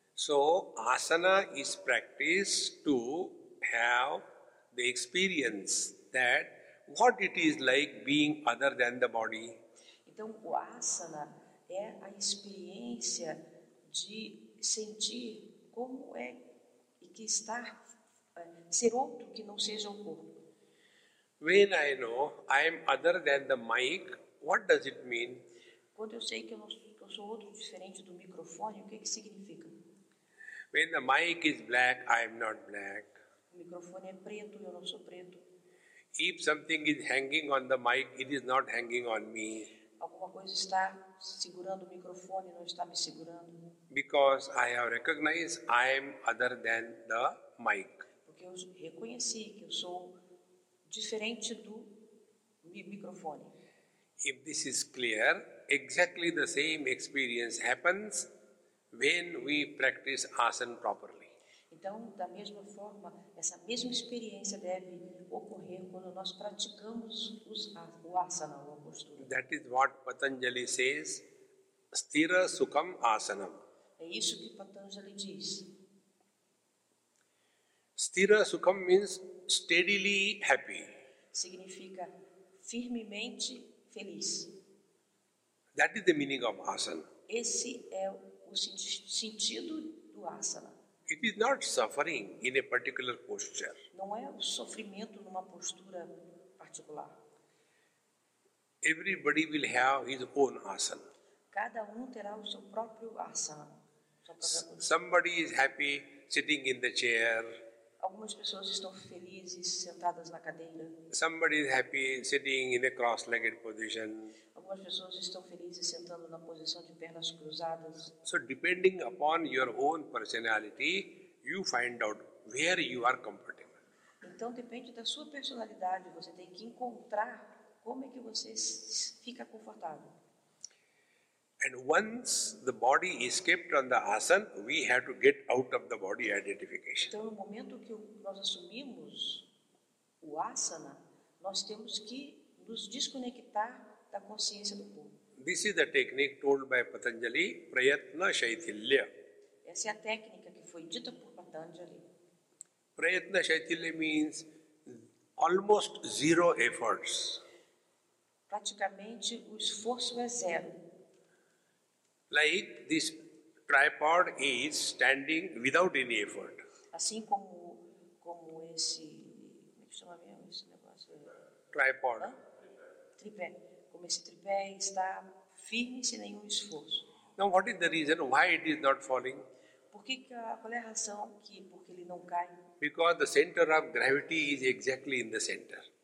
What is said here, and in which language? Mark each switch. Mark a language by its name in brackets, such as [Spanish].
[English] So, asana is practiced to have the experience that what it is like being other than the body. [Portuguese] Então, o asana é a experiência de sentir como é que está ser outro que não seja o corpo. [English] When I know I am other than the mic, what does it mean? [Portuguese] Quando eu sei que eu sou outro diferente do microfone, o que que significa? [English] When the mic is black, I am not black. [Portuguese] O microfone é preto, eu não sou preto. [English] If something is hanging on the mic, it is not hanging on me. [Portuguese] Alguma coisa está segurando o microfone, não está me segurando. [English] Because I have recognized I am other than the mic. [Portuguese] Porque eu reconheci que eu sou diferente do microfone. [English] If this is clear, exactly the same experience happens when we practice asana properly. [Portuguese] Então, da mesma forma, essa mesma experiência deve ocorrer quando nós praticamos o asana, a postura. [English] That is what Patanjali says, [Sanskrit] sthira sukham asanam. [Portuguese] É isso que Patanjali diz. [English] Sthira sukham means steadily happy. [Portuguese] Significa firmemente feliz. [English] That is the meaning of asana. [Portuguese] Esse é o sentido do asana. [English] It is not suffering in a particular posture. [Portuguese] Não é o sofrimento numa postura particular. [English] Everybody will have his own asana. [Portuguese] Cada terá o seu próprio asana. [English] Somebody is happy sitting in the chair. [Portuguese] Algumas pessoas estão felizes sentadas na cadeira. [English] Somebody is happy sitting in a cross-legged position. [Portuguese] Algumas pessoas estão felizes sentando na posição de pernas cruzadas. [English] So depending upon your own personality, you find out where you are comfortable. [Portuguese] Então depende da sua personalidade, você tem que encontrar como é que você fica confortável. [English] And once the body is kept on the asana, we have to get out of the body identification. [Portuguese] Então, no momento que nós assumimos o asana, nós temos que nos desconectar da consciência do corpo. [English] This is the technique told by Patanjali, Prayatna Shaithilya. [Portuguese] Essa é a técnica que foi dita por Patanjali. [English] Prayatna Shaithilya means almost zero efforts. [Portuguese] Praticamente o esforço é zero. [English] Like this tripod is standing without any effort. [Portuguese] Assim como esse, como é que chama mesmo esse negócio? [English] Tripod. [Portuguese] Hã? Tripé. Como esse tripé está firme sem nenhum esforço. [English] Now what is the reason why it is not falling? [Portuguese] Porque qual é a razão que porque ele não cai? [English] Because the center of gravity is exactly in the center.